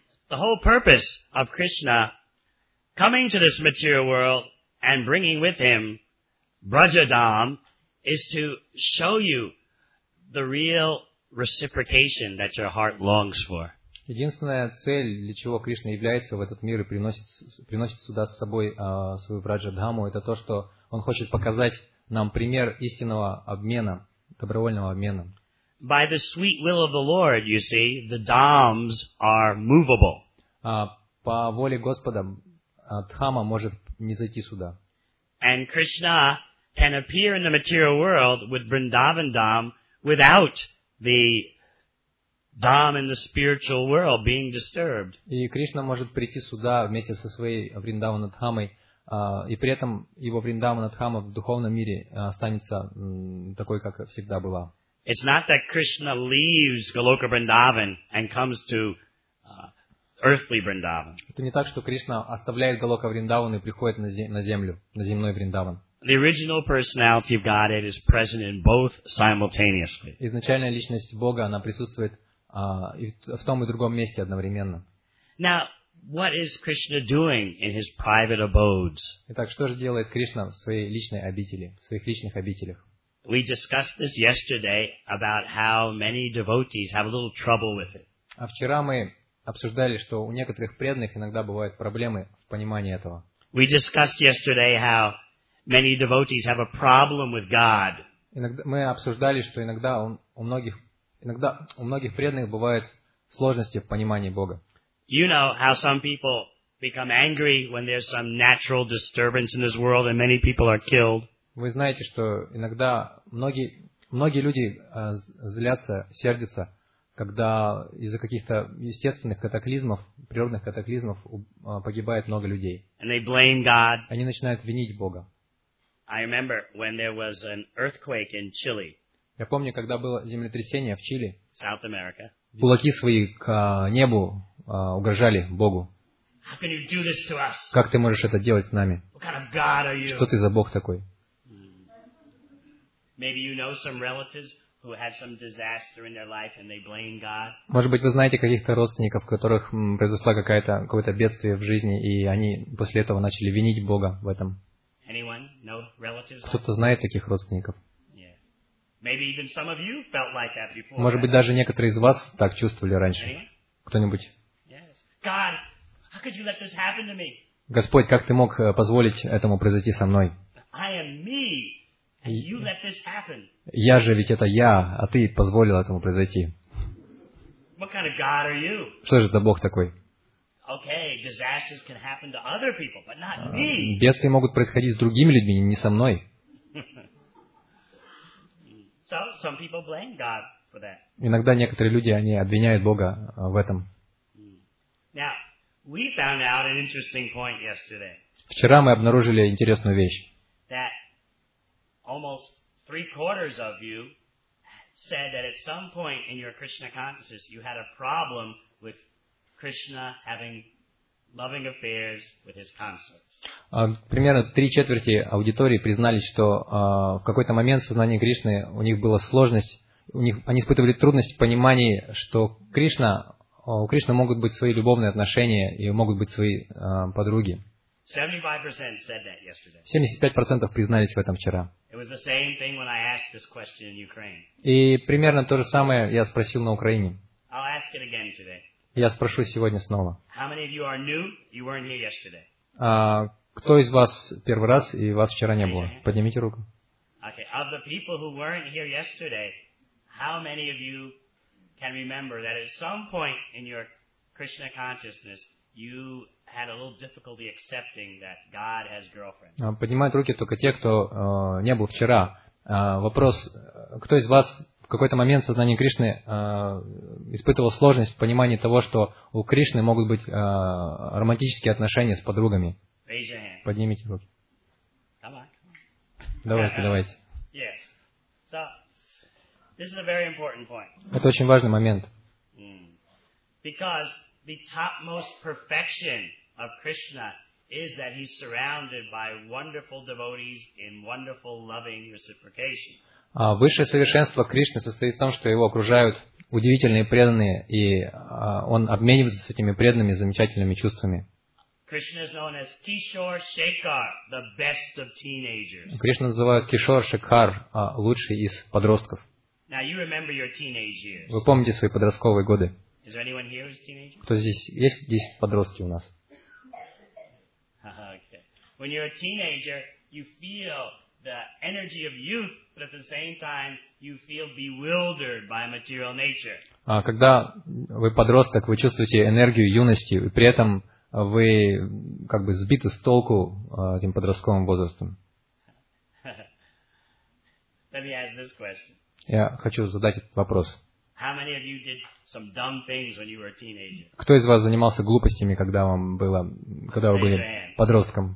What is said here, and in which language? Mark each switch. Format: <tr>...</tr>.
<en>The whole purpose of Krishna coming to this material world and bringing with him Brajadham is to show you the real reciprocation that your heart longs for.</en> <ru>Единственная цель, для чего Кришна является в этот мир и приносит сюда с собой свою Брадждхаму, это то, что он хочет показать нам пример истинного обмена, добровольного обмена.</ru> <en>By the sweet will of the Lord, you see, the dhams are movable.</en> <ru>По воле Господа, дхама может не зайти сюда.</ru> <en>And Krishna can appear in the material world with Vrindavan dham without the dham in the spiritual world being disturbed.</en> <ru>И Кришна может прийти сюда вместе со своей Вриндавана дхамой, и при этом его Вриндавана Дхама в духовном мире останется такой, как всегда была.</ru> <en>It's not that Krishna leaves Goloka Vrindavan and comes to earthly Vrindavan.</en> <ru>Это не так, что Кришна оставляет Голока Вриндаван и приходит на землю, на земной Вриндаван.</ru> <en>The original personality of Godhead is present in both simultaneously.</en> <ru>Изначальная личность Бога, она присутствует в том и другом месте одновременно.</ru> <en>Now, what is Krishna doing in his private abodes?</en> <ru>Итак, что же делает Кришна в своей личной обители, в своих личных обителях?</ru> <en>We discussed this yesterday about how many devotees have a little trouble with it.</en> <ru>А вчера мы обсуждали, что у некоторых преданных иногда бывают проблемы в понимании этого.</ru> <en>We discussed yesterday how many devotees have a problem with God.</en> <ru>Мы обсуждали, что иногда у многих преданных бывают сложности в понимании Бога.</ru> <en>You know how some people become angry when there's some natural disturbance in this world and many people are killed.</en> <ru>Вы знаете, что иногда многие люди злятся, сердятся, когда из-за каких-то естественных катаклизмов, природных катаклизмов погибает много людей.</ru> <en>And they blame God.</en> <ru>Они начинают винить Бога.</ru> <en>I remember when there was an earthquake in Chile.</en> <ru>Я помню, когда было землетрясение в Чили.</ru> <en>South America.</en> <ru>Кулаки свои к небу угрожали Богу.</ru> <en>How can you do this to us?</en> <ru>Как ты можешь это делать с нами?</ru> <en>What kind of God are you?</en> <ru>Что ты за Бог такой?</ru> <en>Maybe you know some relatives who had some disaster in their life and they blame God.</en> <ru>Может быть, вы знаете каких-то родственников, у которых произошло какое-то бедствие в жизни, и они после этого начали винить Бога в этом.</ru> <en>Anyone know relatives?</en> <ru>Кто-то знает таких родственников?</ru> <en>Yes. Maybe even some of you felt like that before.</en> <ru>Может быть, даже некоторые из вас так чувствовали раньше.</ru> <en>Anyone?</en> <ru>Кто-нибудь?</ru> <en>Yes. God, how could you let this happen to me?</en> <ru>Господь, как ты мог позволить этому произойти со мной?</ru> <en>I am me. You let this happen.</en> <ru>Я же ведь это я, а ты позволил этому произойти.</ru> <en>What kind of God are you?</en> <ru>Что же за Бог такой?</ru> <en>Okay, disasters can happen to other people, but not me.</en> <ru>Бедствия могут происходить с другими людьми, не со мной.</ru> <en>So, some people blame God for that.</en> <ru>Иногда некоторые люди, они обвиняют Бога в этом.</ru> <en>Now, we found out an interesting point yesterday.</en> <ru>Вчера мы обнаружили интересную вещь.</ru> <en>That almost 3/4 of you said that at some point in your Krishna consciousness you had a problem with Krishna having loving affairs with his consorts.</en> <ru>Примерно 3/4 аудитории признались, что в какой-то момент в сознании Кришны у них была сложность, они испытывали трудность в понимании, что Кришна, у Кришны могут быть свои любовные отношения и могут быть свои подруги.</ru> <en>75% said that yesterday.</en> <ru>75% признались в этом вчера.</ru> <en>It was the same thing when I asked this question in Ukraine.</en> <ru>И примерно то же самое я спросил на Украине.</ru> <en>I'll ask it again today.</en> <ru>Я спрошу сегодня снова.</ru> <en>How many of you are new? You weren't here yesterday.</en> <ru>Кто из вас первый раз и вас вчера не было? Поднимите руку.</ru> <en>Okay. Of the people who weren't here yesterday, how many of you can remember that at some point in your Krishna consciousness you had a little difficulty accepting that God has girlfriends.</en> <ru>Поднимают руки только те, кто не был вчера. Вопрос, кто из вас в какой-то момент в сознании Кришны испытывал сложность в понимании того, что у Кришны могут быть романтические отношения с подругами?</ru> <en>Raise your hand.</en> <ru>Поднимите руки.</ru> <en>Come on.</en> <ru>Давайте.</ru> <en>Yes. So, this is a very important point.</en> <ru>Это очень важный момент.</ru> <en>Because the topmost perfection of Krishna is that he's surrounded by wonderful devotees in wonderful loving reciprocation.</en> <ru>Высшее совершенство Кришны состоит в том, что его окружают удивительные преданные, и он обменивается с этими преданными замечательными чувствами.</ru> <en>Krishna is known as Kishor Shekhar, the best of teenagers.</en> <ru>Кришна называют Кишор Шекхар лучший из подростков.</ru> <en>Now you remember your teenage years.</en> <ru>Вы помните свои подростковые годы?</ru> <en>Is there anyone here who's a teenager?</en> <ru>Кто здесь? Есть здесь подростки у нас?</ru> <en>Okay. When you're a teenager, you feel the energy of youth, but at the same time, you feel bewildered by material nature.</en> <ru>Когда вы подросток, вы чувствуете энергию юности, и при этом вы как бы сбиты с толку этим подростковым возрастом.</ru> <en>Let me ask this question.</en> <ru>Я хочу задать этот вопрос.</ru> <en>How many of you did some dumb things when you were a teenager?</en> <ru>Кто из вас занимался глупостями, когда вам было, когда вы были подростком?</ru>